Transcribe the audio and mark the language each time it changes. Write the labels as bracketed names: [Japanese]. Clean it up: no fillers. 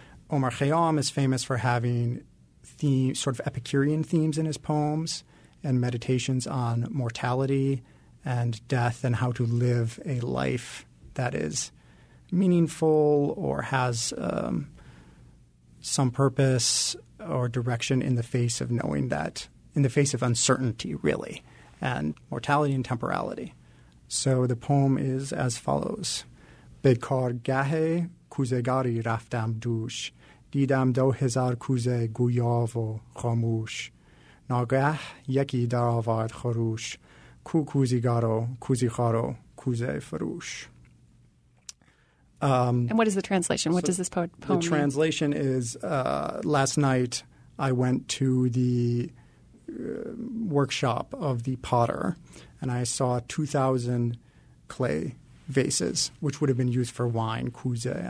[English] Omar Khayyam is famous for having theme, sort of Epicurean themes in his poems and meditations on mortality and death and how to live a life that is meaningful or has some purpose or direction in the face of knowing that – in the face of uncertainty, really, and mortality and temporality. So the poem is as follows. [Persian] Be kar gahe kuzegari raftam dush. دیدم دو هزار کوزه گویا و خاموش ناگه یکی در آورد خروش کو کوزیگارو کوزیخارو کوزه فروش. [English] And what is the translation? What does this poem mean? The translation is last night I went to the workshop of the potter and I saw 2,000 clay vases which would have been used for wine, kuze.